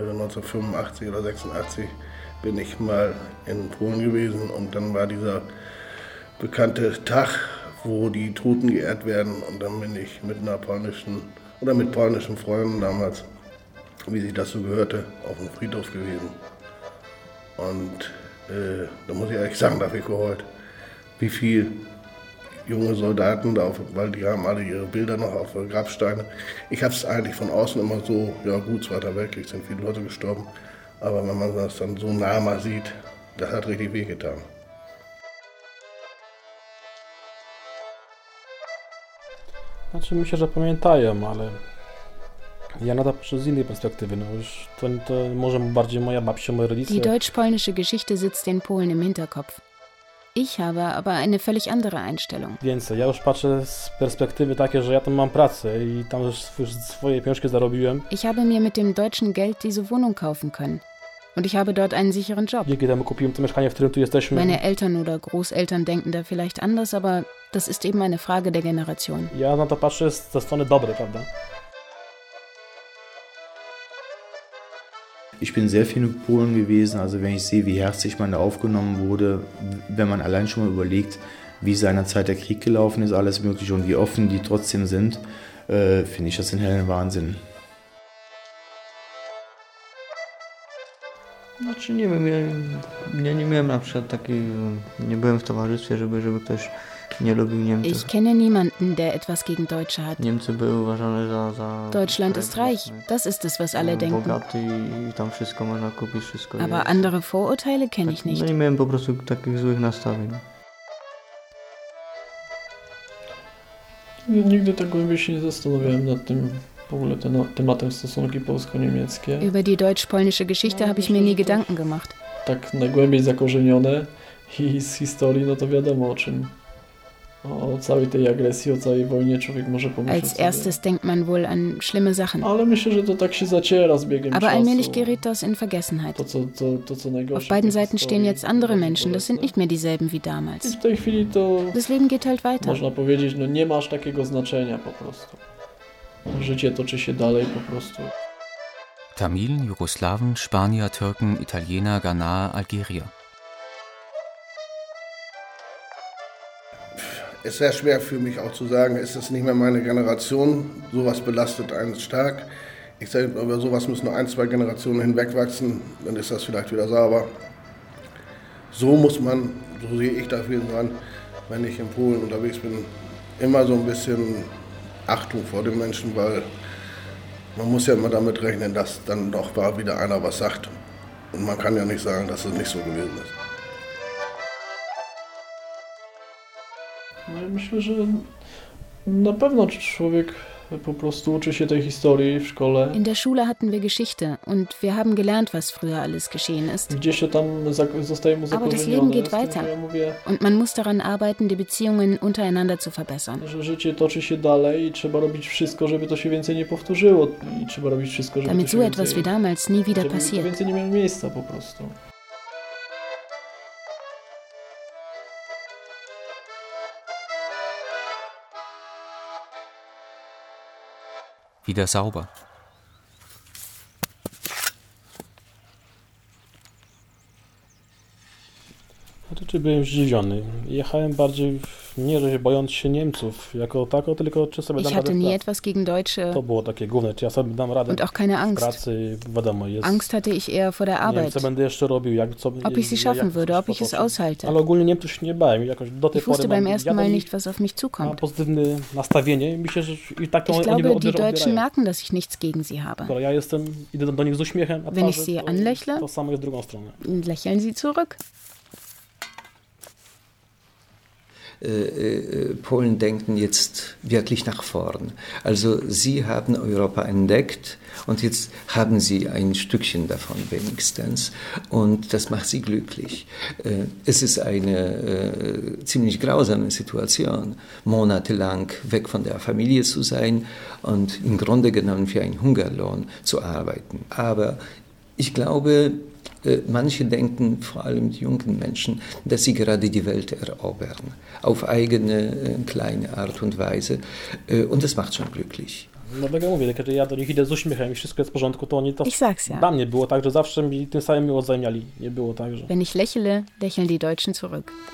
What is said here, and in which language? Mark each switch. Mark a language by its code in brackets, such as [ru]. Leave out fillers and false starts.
[de] '85 oder '86 bin ich mal in Polen gewesen und dann war dieser bekannte Tag, wo die Toten geehrt werden und dann bin ich mit einer polnischen oder mit polnischen Freunden damals, wie sich das so gehörte, auf dem Friedhof gewesen und da muss ich ehrlich sagen, da habe ich geheult, wie viele junge Soldaten da, weil die haben alle ihre Bilder noch auf Grabsteinen. Ich habe es eigentlich von außen immer so, ja gut, Zweiter Weltkrieg, sind viele Leute gestorben. Aber wenn man das dann so nah mal sieht, das hat richtig wehgetan. [pl] Znaczy, myślę, że pamiętają, ale ja na to patrzę z innej perspektywy. No już to może bardziej moja babcia, moje rodzice. [de] Die deutsch-polnische Geschichte sitzt den Polen im Hinterkopf. Ich habe aber eine völlig andere Einstellung. [pl] Więcej, ja już patrzę z perspektywy takiej, że ja tam mam pracę i tam już swoje pieniążki zarobiłem. [de] Ich habe mir mit dem deutschen Geld diese Wohnung kaufen können. Und ich habe dort einen sicheren Job. [pl] Dzięki temu kupiłem to mieszkanie, w którym tu jesteśmy. [de] Meine Eltern oder Großeltern denken da vielleicht anders, aber das ist eben eine Frage der Generation. [pl] Ja na to patrzę ze strony dobrej, prawda? [de] Ich bin sehr viel in Polen gewesen, also wenn ich sehe, wie herzlich man da aufgenommen wurde, wenn man allein schon mal überlegt, wie seinerzeit der Krieg gelaufen ist, alles mögliche und wie offen die trotzdem sind, finde ich das einen hellen Wahnsinn. [pl] Znaczy, nie wiem, ja nie miałem na przykład takiej, nie byłem w towarzystwie, żeby ktoś nie lubił Niemców. [de] Ich kenne niemanden, der etwas gegen Deutsche hat. [pl] Niemcy były uważane za [de] Deutschland ist reich, das ist es, was alle denken. [pl] Bogaty i tam wszystko można kupić, wszystko jest. [de] Aber andere Vorurteile kenne ich nicht. [pl] No nie miałem po prostu takich złych nastawień. Nigdy tak głębiej się nie zastanawiałem nad tym. W ogóle tematem stosunki polsko-niemieckie. [de] Über die deutsch-polnische Geschichte habe ich mir nie Gedanken gemacht. [pl] Tak najgłębiej zakorzenione i z historii, no to wiadomo o czym. O całej tej agresji, o całej wojnie człowiek może pomyśleć. [de] Als erstes [pl] sobie [de] denkt man wohl an schlimme Sachen. [pl] Ale myślę, że to tak się zaciera z biegiem [de] aber [pl] czasu. [de] Aber allmählich gerät das in Vergessenheit. [pl] To co najgorsze. [de] Auf beiden Seiten stehen jetzt andere Menschen, das sind nicht mehr dieselben wie damals. [pl] I w tej chwili to [de] das Leben geht halt weiter. [pl] Można powiedzieć, no nie ma aż takiego znaczenia po prostu. Życie toczy się dalej po prostu. [de] Tamilen, Jugoslawen, Spanier, Türken, Italiener, Ghana, Algerier. Es ist sehr schwer für mich auch zu sagen, es ist nicht mehr meine Generation. Sowas belastet einen stark. Ich sage, über sowas müssen nur ein, zwei Generationen hinwegwachsen, dann ist das vielleicht wieder sauber. So muss man, so sehe ich dafür dran, wenn ich in Polen unterwegs bin, immer so ein bisschen Achtung vor den Menschen, weil man muss ja immer damit rechnen, dass dann doch mal wieder einer was sagt. Und man kann ja nicht sagen, dass es nicht so gewesen ist. [pl] No i myślę, że na pewno człowiek po prostu uczy się tej historii w szkole. [de] In der Schule hatten wir Geschichte und wir haben gelernt, was früher alles geschehen ist. [pl] Gdzieś się tam zostaje mu zakorzenione. [de] Aber das Leben geht weiter. Und man muss daran arbeiten, die Beziehungen untereinander zu verbessern. [pl] Że życie toczy się dalej i trzeba robić wszystko, żeby to się więcej nie powtórzyło. I trzeba robić wszystko, żeby [de] damit so etwas wie damals nie wieder passiert. [pl] Żeby to więcej nie miało miejsca po prostu. [de] Wieder sauber. [pl] Raczej byłem zdziwiony. Jechałem bardziej, nie że się bojąc się Niemców jako tako, tylko czy sobie [de] ich [pl] dam radę. Nie [de] etwas gegen Deutsche. [pl] To było takie główne, czy ja sobie dam radę. [de] Und auch keine Angst. [pl] W pracy, wiadomo, jest. [de] Angst hatte ich eher vor der Arbeit. [pl] Nie wiem, co będę jeszcze robił, jak co. [de] Ob ich sie schaffen würde, ob ich es aushalte. [pl] Ale ogólnie Niemców się nie bałem, jakoś do tej [de] ich wusste [pl] pory [de] beim ersten Mal nicht, was auf mich zukommt. [pl] Mam pozytywne nastawienie i myślę, że i tak to [de] ich [pl] oni [de] glaube, [pl] mnie [de] die Deutschen merken, dass ich nichts gegen sie habe. [pl] Skoro ja jestem, idę do nich z uśmiechem, a [de] wenn ich sie anlächle, [pl] to samo jest z drugą stronę. [de] Lächeln sie zurück. Polen denken jetzt wirklich nach vorn. Also sie haben Europa entdeckt und jetzt haben sie ein Stückchen davon wenigstens und das macht sie glücklich. Es ist eine ziemlich grausame Situation, monatelang weg von der Familie zu sein und im Grunde genommen für einen Hungerlohn zu arbeiten. Aber ich glaube, manche denken, vor allem die jungen Menschen, dass sie gerade die Welt erobern, auf eigene kleine Art und Weise. Und das macht schon glücklich. [pl] No tak jak mówię, kiedy ja do nich idę z uśmiechem i wszystko jest w porządku, to oni to [de] ich sag's ja. [pl] Dla mnie było tak, że zawsze mi tym samym miło zajmiali. Nie było tak, że [de] wenn ich lächle, lächeln die Deutschen zurück.